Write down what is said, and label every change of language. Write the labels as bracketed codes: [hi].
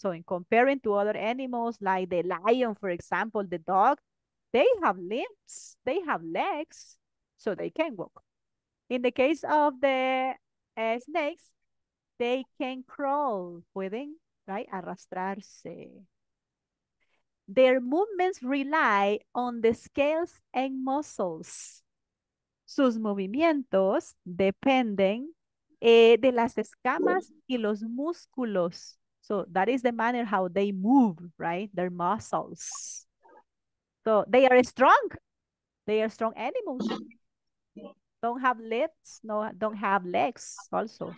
[en] So in comparing to other animals, like the lion, for example, the dog, they have limbs, they have legs, so they can walk. In the case of the snakes, they can crawl, pueden, right? [es] Arrastrarse. [en] Their movements rely on the scales and muscles. [es] Sus movimientos dependen de las escamas y los músculos. [en] So that is the manner how they move, right? Their muscles. So they are strong. They are strong animals. Don't have lips, no, don't have legs also.